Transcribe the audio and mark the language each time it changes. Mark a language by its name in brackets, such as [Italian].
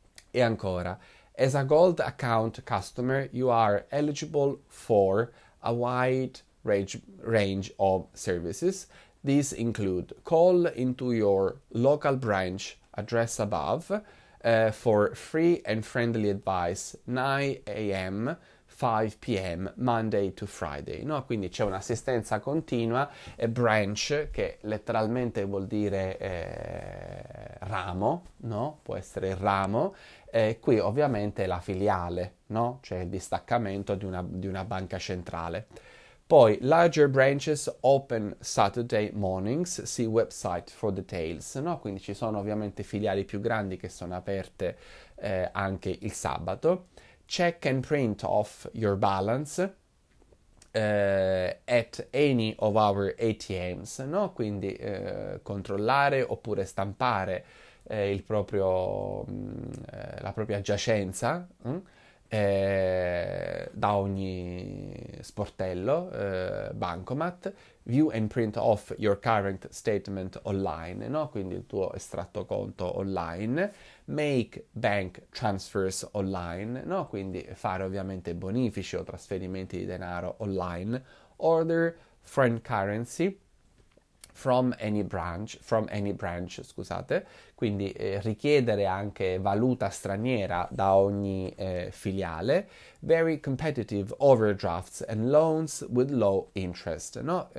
[Italian] E ancora, [English] as a gold account customer, you are eligible for a wide range of services. These include call into your local branch address above for free and friendly advice 9 a.m. 5 p.m. Monday to Friday, no? [Italian] Quindi c'è un'assistenza continua, e branch, che letteralmente vuol dire ramo, no? Può essere ramo, e qui ovviamente è la filiale, no? Cioè il distaccamento di una banca centrale. Poi, [English] larger branches open Saturday mornings, see website for details, [Italian] no? Quindi ci sono ovviamente filiali più grandi che sono aperte anche il sabato. [English] Check and print off your balance at any of our ATMs, no? [Italian] Quindi controllare oppure stampare la propria giacenza da ogni sportello, bancomat. [English] View and print off your current statement online, no? [Italian] Quindi il tuo estratto conto online. [English] Make bank transfers online, [Italian] no? Quindi fare ovviamente bonifici o trasferimenti di denaro online. [English] Order foreign currency from any branch, [Italian] scusate. Quindi richiedere anche valuta straniera da ogni filiale. [English] Very competitive overdrafts and loans with low interest, no?